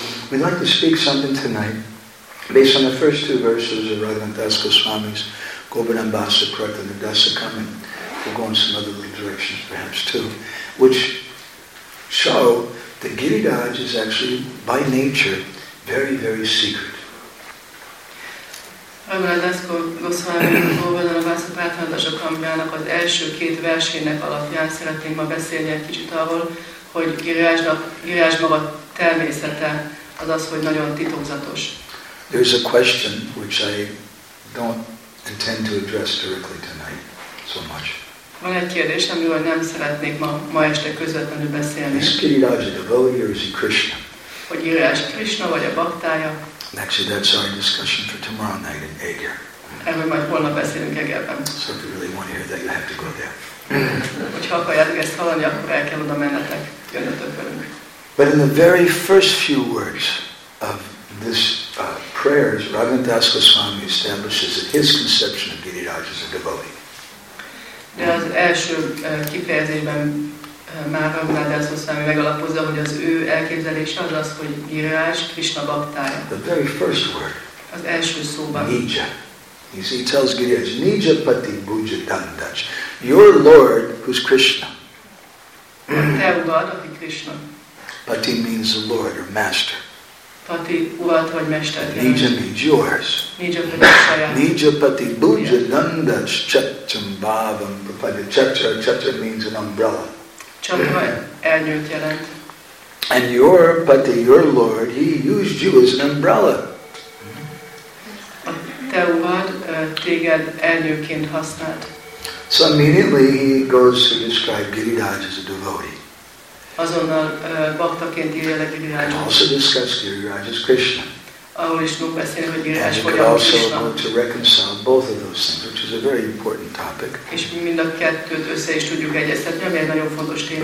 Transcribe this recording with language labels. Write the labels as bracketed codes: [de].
[en] We'd like to speak something tonight based on the first two verses of Raghunath Das Goswami's Govardhan Basa Pratana Dasaka, and we'll go in some other little directions perhaps too, which show that Giridhara is actually by nature very, very secret. [hu] Raghunath Das Goswami Govardhan Basa Pratana Dasakamjának az első két versének alapján szeretnénk ma beszélni egy kicsit arról, hogy Giridhara maga természete az az, hogy nagyon titokzatos. [en] There's a question which I don't intend to address directly tonight so much. [hu] Van egy kérdés, amiről nem szeretnék ma este közvetlenül beszélni. [en] Is Giridhara a devotee or is he Krishna? [hu] Hogy Giridhara Krishna vagy a baktája? [en] Actually, that's our discussion for tomorrow night in Eger. [hu] Erről majd holnap beszélünk Egerben. [en] So if you really want to hear that, you have to go there. [hu] Hogyha akarjátok ezt hallani, akkor el kell oda mennetek. Jönnötök velünk. [en] But in the very first few words of this prayers, Raghunath Das Goswami establishes that his conception of Giridhara is a devotee. [hu] De az első kifejezésben már Raghunath Das Goswami megalapozza, hogy az ő elképzelése az az, hogy Giridhara Krishna baktája. [en] The very first word. [hu] Az első szóban. [en] Nija. He tells Giridhara, [sa] Nija Pati Bhuja Dandas. [en] Your Lord, who's Krishna. [hu] Te Urad, aki Krishna. [en] Pati means the Lord or Master. Pati, [hu] uvat, [en] Nija means yours. Nija [sa] Pati Bhuja Dandas Chattam Bhavam Prapadya. [en] Chattam means an umbrella. And your Pati, your Lord, he used you as an umbrella. [hu] Te uvat, téged elnyőként használt. [en] So immediately he goes to describe Giridhara as a devotee. [hu] Azonnal baktaként írja le Giridhara. [en] Also discuss Giridhara as Krishna. [hu] Ahol is tudunk beszélni, hogy Giridhara vagy Krishna. [en] And you could also want to reconcile both of those things, which is a very important topic. [hu] És mind a kettőt össze is tudjuk egyeztetni, ami egy nagyon fontos téma.